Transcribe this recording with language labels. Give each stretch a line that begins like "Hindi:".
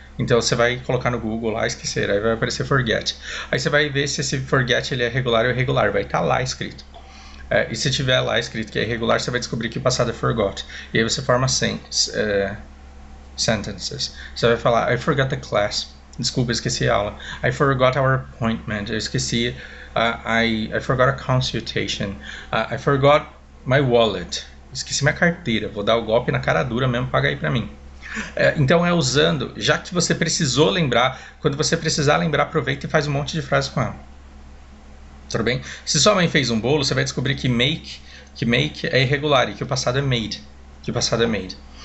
Portuguese: Então, você vai colocar no Google lá esquecer, aí vai aparecer forget. Aí você vai ver se esse forget ele é regular ou irregular, vai estar lá escrito. E se tiver lá escrito que é irregular, você vai descobrir que o passado é forgot. E aí você forma sentences. Você vai falar,
English: I forgot the class.
Portuguese: Desculpa, esqueci a aula.
English: I forgot our appointment.
Portuguese: Eu esqueci.
English: I forgot a consultation. I forgot my wallet.
Portuguese: Esqueci minha carteira. Vou dar o golpe na cara dura mesmo. Paga aí pra mim. Então é usando, já que você precisou lembrar, quando você precisar lembrar, aproveita e faz um monte de frases com ela. Tudo bem? Se sua mãe fez um bolo, você vai descobrir que make é irregular e que o passado é made. Que o passado é made.